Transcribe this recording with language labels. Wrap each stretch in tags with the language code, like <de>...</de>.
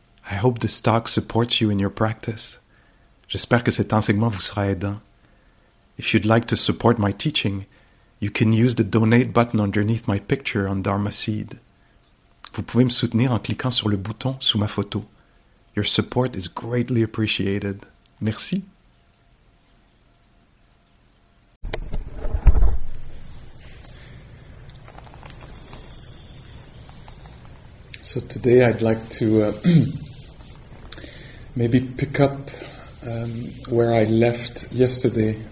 <en>I hope this talk supports you in your practice.</en> <fr>J'espère que cet enseignement vous sera aidant.</fr> <en>If you'd like to support my teaching, you can use the donate button underneath my picture on Dharma Seed.</en> <fr>Vous pouvez me soutenir en cliquant sur le bouton sous ma photo.</fr> <en>Your support is greatly appreciated. Merci. So today I'd like to maybe pick up where I left yesterday.</en>